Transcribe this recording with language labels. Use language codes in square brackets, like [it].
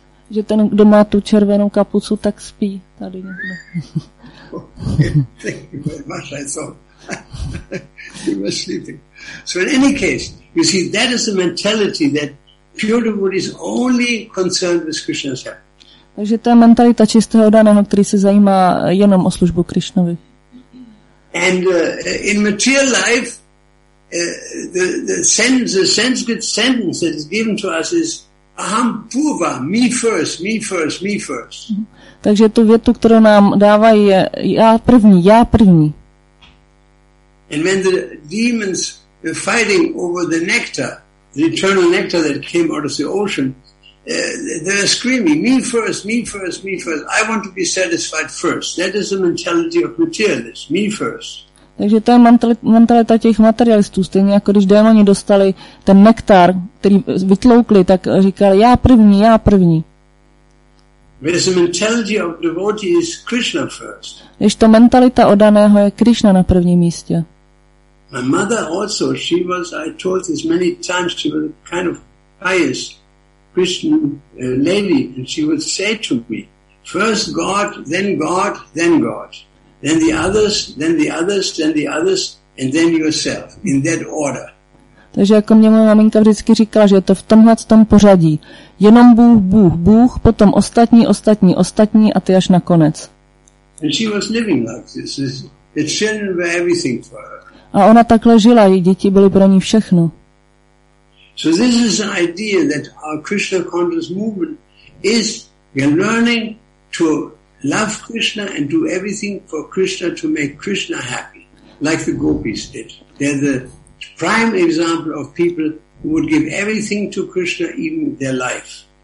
[cs] Že ten, kdo má tu červenou kapucu, tak spí tady někde. [en] So in any case, you see, that is the mentality that pure devotee is only concerned with Krishna's help. [cs] Takže ta mentalita čistého daného, který se zajímá jenom o službu Krišnovi. [en] And in material life, the Sanskrit sentence that is given to us is [sa] aham purva, [en] me first, me first, me first. [cs] Takže tu větu, kterou nám dávají, je já první, já první. [en] And when the demons were fighting over the nectar, the eternal nectar that came out of the ocean, they're screaming, me first, me first, me first. I want to be satisfied first. That is the mentality of materialists, me first. [cs] Takže to je mentalita těch materialistů. Stejně jako když démoni dostali ten nektar, který vytloukli, tak říkali, já první, já první. [en] Whereas the mentality of devotee is Krishna first. [cs] Když to mentalita odaného je Krishna na prvním místě. [en] My mother also, she was, I told this many times, she was a kind of pious Christian lady, and she would say to me, first God, then God, then God, then the others, then the others, then the others, and then yourself, in that order. [cs] Takže jako mě moje maminka vždycky říkala, že je to v tomhle tom pořadí. Jenom Bůh, Bůh, Bůh, potom ostatní, ostatní, ostatní a ty až nakonec. [en] And she was living like this. The children were everything for her. [cs] A ona takhle žila, její děti byly pro ní všechno. [en] So this is an idea that our Krishna conscious movement is learning to love Krishna and do everything for Krishna to make Krishna happy, like the gopis did. They're the prime example of people who would give everything to Krishna, even their life.